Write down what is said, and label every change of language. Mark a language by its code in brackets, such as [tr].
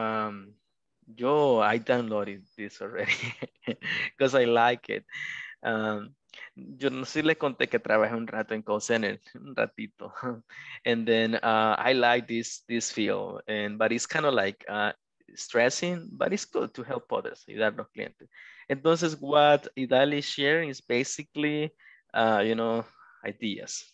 [en] I downloaded this already because I like it. [es] Yo no sé si les conté que trabajé un rato en call center, un ratito. [en] And then I like this field, but it's kind of like stressing, but it's good to help others, [es] ayudar a los clientes. Entonces, [en] what Idali is sharing is basically, ideas.